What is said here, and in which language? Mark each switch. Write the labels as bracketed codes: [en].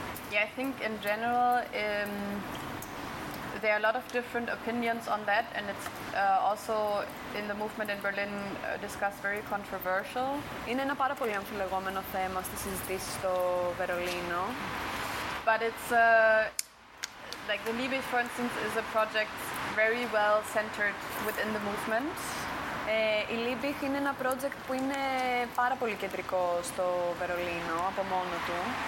[en] Yeah, I think in general, there are a lot of different opinions on that, and it's also in the movement in Berlin discussed very controversial. [el] Είναι ένα πάρα πολύ αμφιλεγόμενο θέμα στη συζήτηση στο Βερολίνο. [en] But it's like the Liebe, for instance, is a project very well centered within the movement. [el] Η Liebich είναι ένα project που είναι πάρα πολύ κεντρικό στο Βερολίνο από μόνο του.